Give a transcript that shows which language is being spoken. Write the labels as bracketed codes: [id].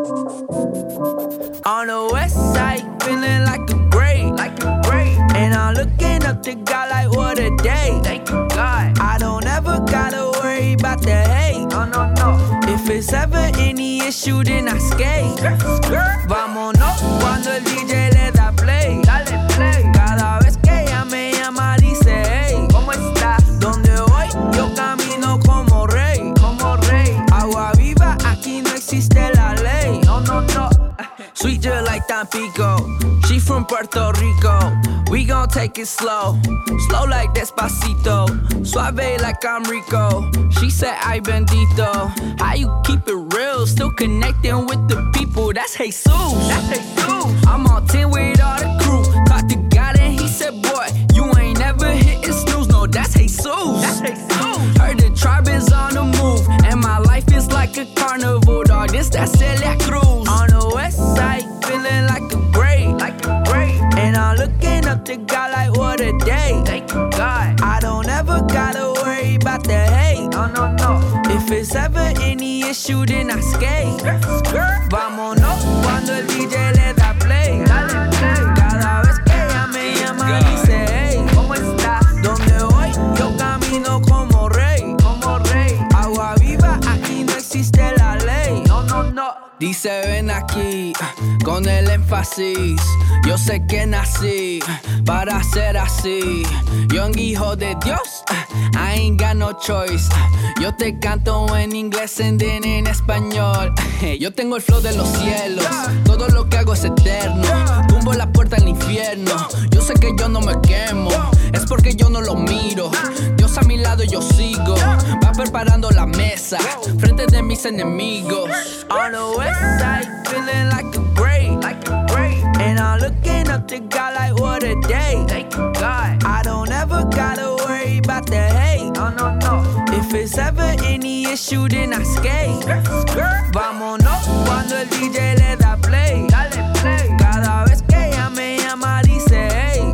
[en] On the west side, feeling like a great, like a great. And I'm looking up to God like, what a day. Thank you, God. I don't ever gotta worry about the hate. No, no, no. If it's ever any issue, then I skate. Skirt, skirt. [es] Vámonos cuando el DJ le da play. Dale play. Cada vez que ella me llama, dice, hey, ¿cómo estás? ¿Dónde voy? Yo camino como rey. Como rey. Agua viva, aquí no existe la ley. No, no, no. [en] Sweet just like Tampico, she from Puerto Rico. We gon' take it slow, slow like Despacito. Suave like I'm Rico, she said ay bendito. How you keep it real, still connecting with the people? That's Jesus, that's Jesus. I'm on 10 with all the crew. Talk to God and he said, boy, you ain't never hitting snooze. No, that's Jesus, that's Jesus. Heard the tribe is on the move, and my life is like a carnival, dog. This that Celia Cruz. Feeling like a great, like a great. And I'm looking up to God like, what a day. Thank you, God. I don't ever gotta worry about the hate. No, no, no. If it's ever any issue, then I skate. Skirt, skirt. [es] Vámonos cuando el DJ le da play. Dale play. Cada vez que ella me llama, dice, hey, ¿cómo está? ¿Dónde voy? Yo camino como rey. Como rey. Agua viva, aquí no existe la ley. No, no, no. Dice, ven aquí, con el énfasis. Yo sé que nací para ser así. [en] Young [es] hijo de Dios, [en] I ain't got no choice. [es] Yo te canto en inglés [en] and then [es] en español. Yo tengo el flow de los cielos, todo lo que hago es eterno. Tú tumbo la puerta al infierno. Yo sé que yo no me quemo, es porque yo no lo miro. Dios a mi lado y yo sigo. Va preparando la mesa frente de mis enemigos. [en] On the west side, feeling like a break. And I'm looking up to God like what a day. I don't ever gotta worry about the hate. If it's ever any issue, then I skate. [es] Vámonos cuando el DJ le da play. Dale play. Cada vez que ella me llama, dice hey.